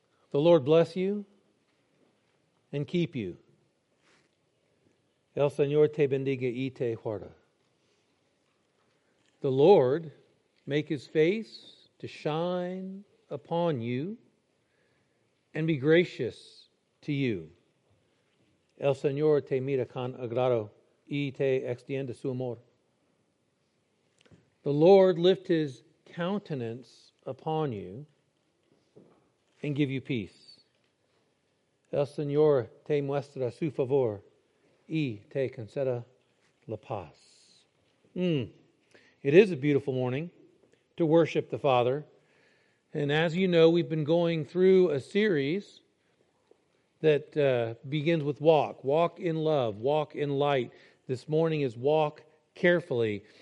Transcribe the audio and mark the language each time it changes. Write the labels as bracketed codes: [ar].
[en] The Lord bless you and keep you. [es] El Señor te bendiga y te guarda. [en] The Lord make His face to shine upon you and be gracious to you. [es] El Señor te mira con agrado y te extiende su amor. [en] The Lord lift His countenance upon you and give you peace. [es] El Señor te muestra su favor y te conceda la paz. [en] It is a beautiful morning to worship the Father. And as you know, we've been going through a series that begins with walk. Walk in love, walk in light. This morning is walk carefully.